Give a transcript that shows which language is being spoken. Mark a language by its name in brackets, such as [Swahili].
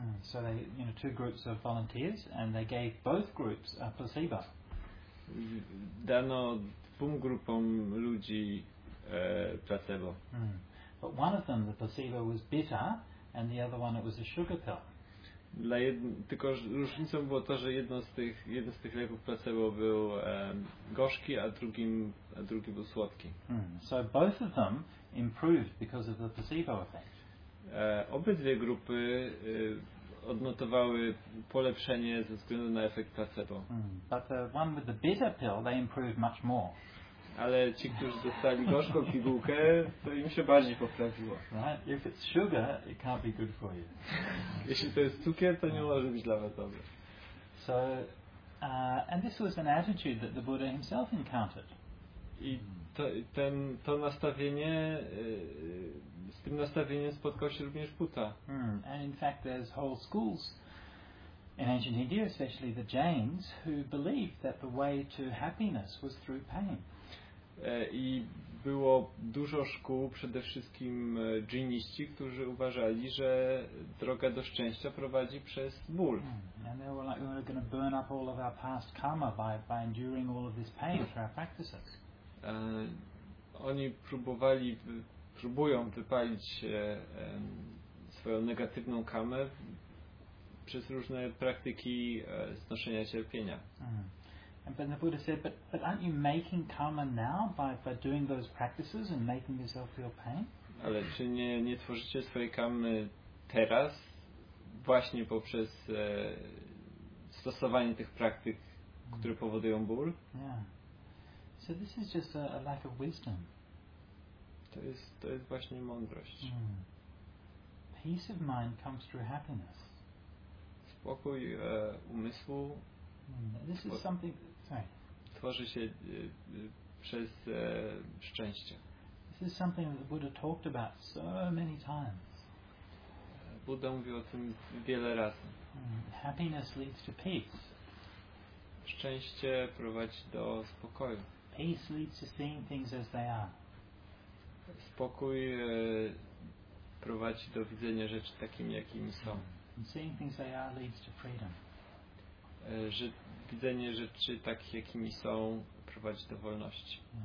[English] So they, you know, two groups of volunteers, and they gave both groups a placebo. [Polish] Dano dwóm grupom ludzi placebo. [English] But one of them, the placebo was bitter, and the other one, it was a sugar pill. [Polish] Tylko różnicą było to, że jeden z tych leków placebo był gorzki, a drugi był słodki. [English] So both of them improved because of the placebo effect. [Polish] Obydwie grupy odnotowały polepszenie ze względu na efekt placebo. [English] But the one with the bitter pill, they improved much more. [Polish] Ale ci, którzy dostali gorzką pigułkę, to im się bardziej poprawiło. [English] Right? If it's sugar, it can't be good for you. [Polish] Jeśli to jest cukier, to nie może być dla was dobre. [English] So, and this was an attitude that the Buddha himself encountered. [Polish] I to nastawienie, z tym nastawieniem spotkał się również Buddha. [English] And in fact, there's whole schools in ancient India, especially the Jains, who believed that the way to happiness was through pain. [Polish] I było dużo szkół, przede wszystkim dżiniści, którzy uważali, że droga do szczęścia prowadzi przez ból. [English] And they were like, we're going to burn up all of our past karma by enduring all of this pain through our practices. [Polish] Oni próbują wypalić swoją negatywną karmę przez różne praktyki znoszenia cierpienia. [English] But the Buddha said, but aren't you making karma now by doing those practices and making yourself feel pain? [Polish] Ale czy nie tworzycie swojej karmy teraz właśnie poprzez stosowanie tych praktyk, które powodują ból? [English] Yeah. So this is just a lack of wisdom. [Polish] To jest właśnie mądrość. [English] Peace of mind comes through happiness. [Polish] Spokój umysłu. [English] This is something. [Polish] Tworzy się przez szczęście. [English] This is something that the Buddha talked about so many times. [Polish] Buddha mówił o tym wiele razy. [English] Happiness leads to peace. [Polish] Szczęście prowadzi do spokoju. [English] Peace leads to seeing things as they are. [Polish] Spokój prowadzi do widzenia rzeczy takimi, jakimi są. [English] And seeing things they are leads to freedom. [Polish] Widzenie rzeczy takich, jakimi są, prowadzi do wolności.